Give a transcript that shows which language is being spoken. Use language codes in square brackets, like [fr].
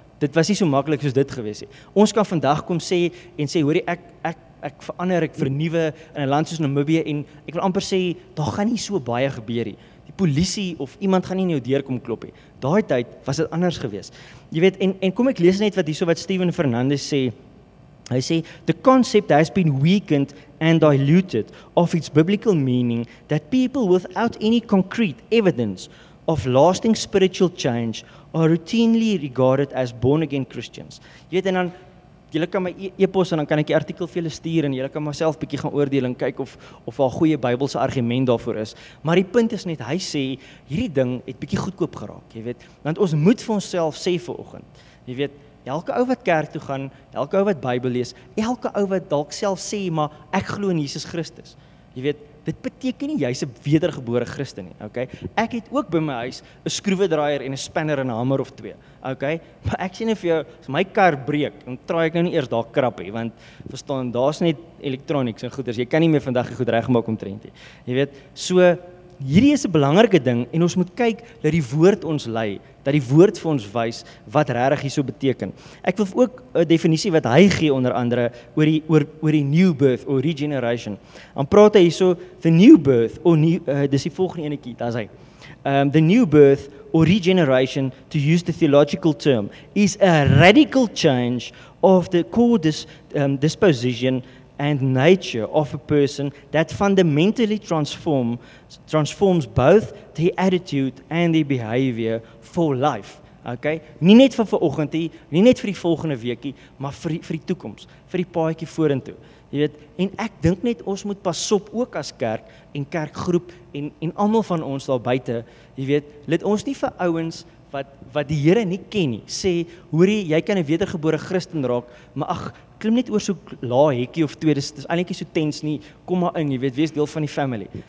[af] Dit was nie so makkelijk soos dit gewees het. Ons kan vandag kom sê, en sê, hoorie, ek verander, ek vernuwe in 'n land soos Namibië en ek wil amper sê, daar gaan nie so baie gebeur nie. Die polisie of iemand gaan nie in jou deur kom klop nie. Daai tyd was dit anders gewees. Jy weet, en kom ek lees net wat hierso wat Stephen Fernandez sê. Hy sê, [en] the concept has been weakened and diluted of its biblical meaning that people without any concrete evidence of lasting spiritual change are routinely regarded as born-again Christians. [af] Jy weet, en dan julle kan my e-pos en dan kan ek die artikel vir julle stuur en julle kan myself bietjie gaan oordeel en kyk of daar 'n goeie Bybelse argument daarvoor is. Maar die punt is net, hy sê, hierdie ding het bietjie goedkoop geraak, jy weet. Want ons moet vir onsself sê vanoggend, jy weet, elke ou wat kerk toe gaan, elke ou wat Bybel lees, elke ou wat dalk self sê, maar ek glo in Jesus Christus, jy weet, dit beteken nie jy's 'n wedergebore Christen nie, okay? Ek het ook by my huis 'n skroewedraaier en 'n spanner en 'n hamer of twee, okay? Maar ek sê net vir jou, as my kar breek, dan try ek nou nie eers daar krap hê, want verstaan, daar's net elektronics en goeders, jy kan nie meer vandag die goed regmaak omtrent nie. Jy weet, so, hierdie is 'n belangrike ding, en ons moet kyk dat die woord ons lei, dat die woord vir ons wys wat regtig hierso beteken. Ek wil ook 'n definisie wat hy gee onder andere oor die [en] new birth [af] of regeneration. Dan praat hy hierso [en] the new birth [af] of new dis die volgende enetjie, daar's hy. [en] The new birth or regeneration, to use the theological term, is a radical change of the core disposition and nature of a person that fundamentally transforms both the attitude and the behavior for life. Okay? [af] Nie net vir vanoggend nie, nie net vir die volgende weekie, maar vir die toekoms, vir die paadjie vorentoe. Jy weet, en ek dink net ons moet pas op ook as kerk en kerkgroep en almal van ons daar buite, jy weet, let ons nie vir ouens wat die Here nie ken nie, sê, hoorie, jy kan 'n wedergebore Christen raak, maar ag, klim net oor so la hekkie of twee, dis eintlik so tens nie, kom maar in, jy weet, wees deel van die family.